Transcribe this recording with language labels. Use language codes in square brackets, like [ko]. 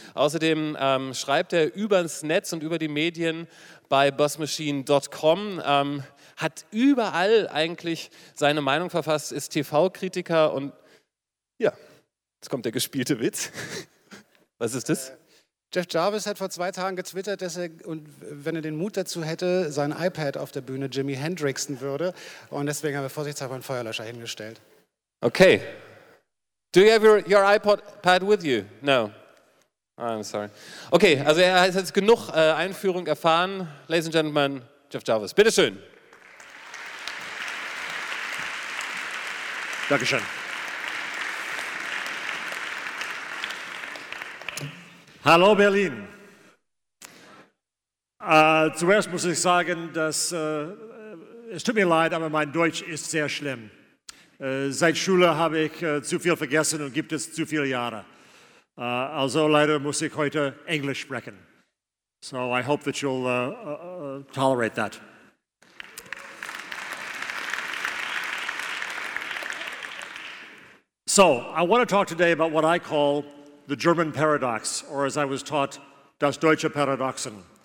[de] Außerdem schreibt er übers Netz und über die Medien bei buzzmachine.com, hat überall eigentlich seine Meinung verfasst, ist TV-Kritiker und ja, jetzt kommt der gespielte Witz. Was ist das? Jeff Jarvis hat vor 2 Tagen getwittert, dass er, und wenn er den Mut dazu hätte, sein iPad auf der Bühne Jimi Hendrixen würde. Und deswegen haben wir vorsichtshalber einen Feuerlöscher hingestellt. Okay. [en] Do you have your iPad with you? No. I'm sorry. [de] Okay, also er hat jetzt genug Einführung erfahren. [en] Ladies and Gentlemen, Jeff Jarvis. Bitteschön. [de] Dankeschön. Hallo Berlin. Zuerst muss ich sagen, dass es tut mir leid, aber mein Deutsch ist sehr schlimm. Seit Schule habe ich zu viel vergessen und gibt es zu viele Jahre. Also leider muss ich heute Englisch sprechen. [en] So I hope that you'll tolerate that. So I want to talk today about what I call the German paradox, or as I was taught, [de] das deutsche Paradoxon.